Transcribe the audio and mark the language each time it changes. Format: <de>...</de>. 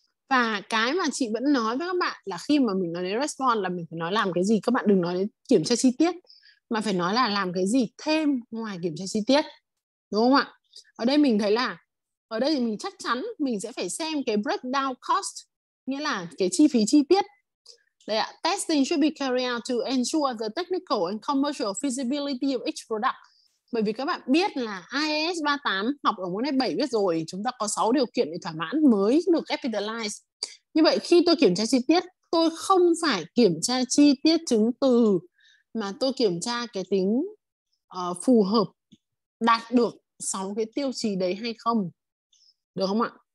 <vi>Và cái mà chị vẫn nói với các bạn là khi mà mình nói đến response là mình phải nói làm cái gì, các bạn đừng nói đến kiểm tra chi tiết mà phải nói là làm cái gì thêm ngoài kiểm tra chi tiết, đúng không ạ? Ở đây mình thấy là ở đây thì mình chắc chắn mình sẽ phải xem cái breakdown cost, nghĩa là cái chi phí chi tiết. Đây ạ,</vi> <en>testing should be carried out to ensure the technical and commercial feasibility of each product.</en> <vi>Bởi vì các bạn biết là IAS 38 học ở môn 7 biết rồi, chúng ta có 6 điều kiện để thỏa mãn mới được capitalize. Như vậy khi tôi kiểm tra chi tiết, tôi không phải kiểm tra chi tiết chứng từ mà tôi kiểm tra cái tính phù hợp đạt được 6 cái tiêu chí đấy hay không. Được không ạ?</vi>